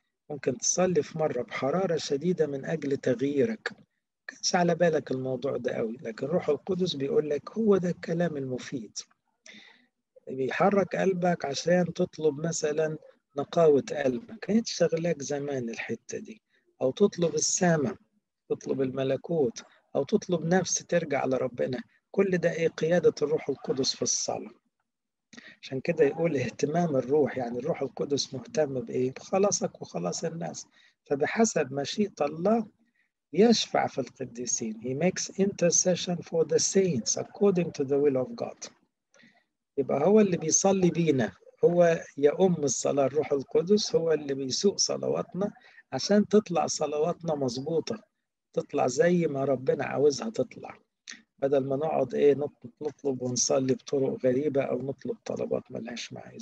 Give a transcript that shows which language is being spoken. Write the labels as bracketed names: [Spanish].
[Arabic] ممكن تصلي في مرة بحرارة شديدة من أجل تغييرك، كانش على بالك الموضوع ده قوي، لكن روح القدس بيقول لك هو ده الكلام المفيد، بيحرك قلبك عشان تطلب مثلا نقاوة قلبك، كانت شغلك زمان الحتة دي، أو تطلب السماء، تطلب الملكوت، أو تطلب نفس ترجع لربنا. كل ده إيه؟ قيادة الروح القدس في الصلاة. عشان كده يقول اهتمام الروح، يعني الروح القدس مهتم بإيه؟ بخلاصك وخلاص الناس، فبحسب مشيئة الله يشفع في القديسين. [English] He makes intercession for the saints according to the will of God. [Arabic] يبقى هو اللي بيصلي بينا، هو يأم الصلاة الروح القدس، هو اللي بيسوق صلواتنا عشان تطلع صلواتنا مظبوطة، تطلع زي ما ربنا عاوزها تطلع، بدل ما نقعد ايه نطلب ونصلي بطرق غريبة او نطلب طلبات ملهاش معنى.